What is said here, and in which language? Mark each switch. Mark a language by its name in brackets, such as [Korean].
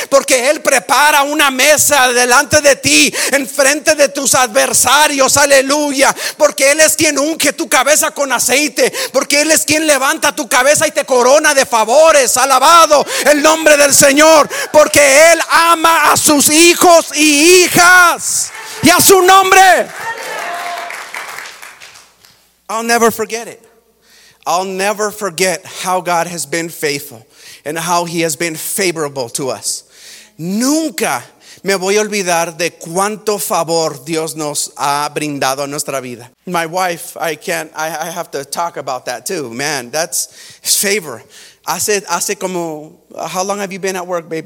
[Spanish] Porque Él prepara una mesa delante de ti, enfrente de tus adversarios, aleluya, porque Él es quien unge tu cabeza con aceite, porque Él es quien levanta tu cabeza y te corona de favores. Alabado el nombre del Señor, porque Él ama a sus hijos y hijas y a su nombre. [English] I'll never forget it. I'll never forget how God has been faithful and how He has been favorable to us. [Spanish] Nunca me voy a olvidar de cuánto favor Dios nos ha brindado a nuestra vida. [English] My wife, I have to talk about that too. Man, that's favor. [Spanish] Hace como, [English] how long have you been at work, babe?